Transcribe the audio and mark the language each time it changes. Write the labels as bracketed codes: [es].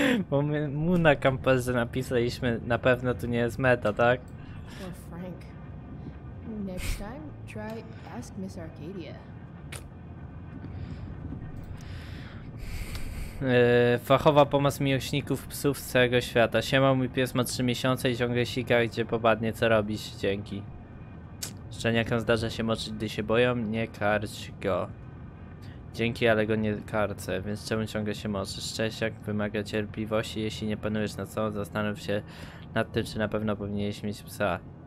[pl] Bo my mu na kamperze napisaliśmy, na pewno tu nie jest meta, tak? [en] Poor Frank. Next time, try ask Miss Arcadia. [pl] Fachowa pomoc miłośników psów z całego świata. Siema, mój pies ma 3 miesiące i ciągle sika, gdzie popadnie, co robić? Dzięki. Szczeniakom zdarza się moczyć, gdy się boją, nie karć go. Dzięki, ale go nie karcę, więc czemu ciągle się moczysz? Szczęściak wymaga cierpliwości, jeśli nie panujesz nad sobą, zastanów się nad tym, czy na pewno powinieneś mieć psa.